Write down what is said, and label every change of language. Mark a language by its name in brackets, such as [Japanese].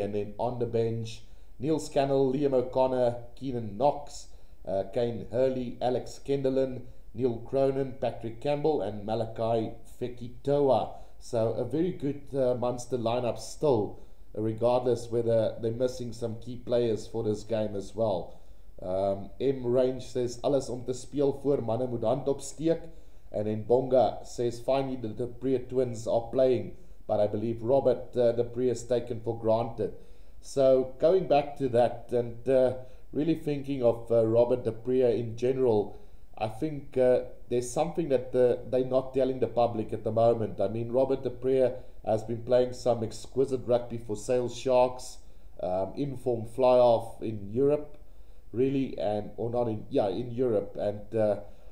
[English] And then on the bench, Neil Scannell, Liam O'Connor, Keenan Knox, Kane Hurley, Alex Kendallin, Neil Cronin, Patrick Campbell, and Malachi Fekitoa. So a very good Munster lineup still, regardless whether they're missing some key players for this game as well. M Range says [Afrikaans] alles om te speel voor, manne moet hand opsteek. [English] And then Bonga says finally the Preah twins are playing, but I believe Robert the Preah is taken for granted. So going back to that, and really thinking of Robert de Preez in general, I think there's something that they're not telling the public at the moment. I mean, Robert de Preez has been playing some exquisite rugby for Sale Sharks, in-form fly-half in Europe, really, and or not in yeah in Europe, and